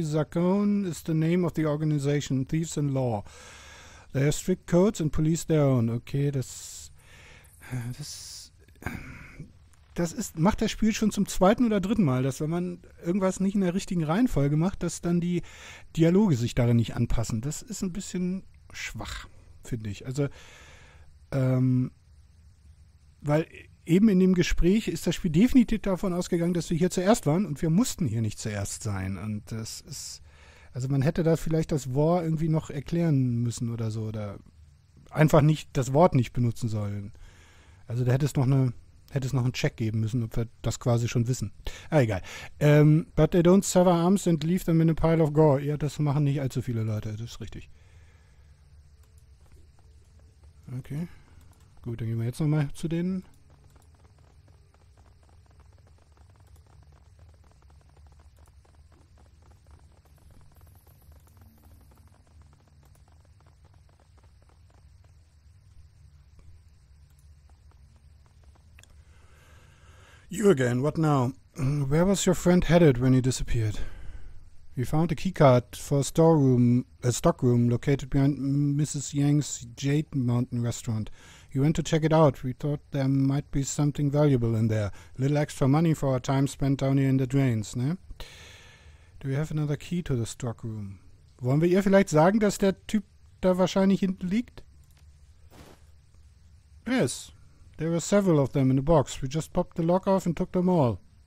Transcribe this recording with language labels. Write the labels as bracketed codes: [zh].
[en] Zakon is the name of the organization, Thieves in Law. They have strict codes and police their own. [de] Okay, das macht das Spiel schon zum zweiten oder dritten Mal, dass wenn man irgendwas nicht in der richtigen Reihenfolge macht, dass dann die Dialoge sich darin nicht anpassen. Das ist ein bisschen schwach, finde ich. Also, weil eben in dem Gespräch ist das Spiel definitiv davon ausgegangen, dass wir hier zuerst waren und wir mussten hier nicht zuerst sein. Und das ist, also man hätte da vielleicht das War irgendwie noch erklären müssen oder so, oder einfach nicht das Wort nicht benutzen sollen. Also da hätte es noch einen Check geben müssen, ob wir das quasi schon wissen. Ah, egal. [en] But they don't sever arms and leave them in a pile of gore. [de] Ja, das machen nicht allzu viele Leute, das ist richtig. Okay, gut, dann gehen wir jetzt nochmal zu denen. [en] You again, what now? Where was your friend headed when he disappeared? We found a keycard for a stockroom located behind Mrs. Yang's Jade Mountain restaurant. He went to check it out. We thought there might be something valuable in there. A little extra money for our time spent down here in the drains, ne? Do we have another key to the stockroom? [de] Wollen wir ihr vielleicht sagen, dass der Typ da wahrscheinlich hinten liegt? [en] Yes. There were several of them in the box. We just popped the lock off and took them all.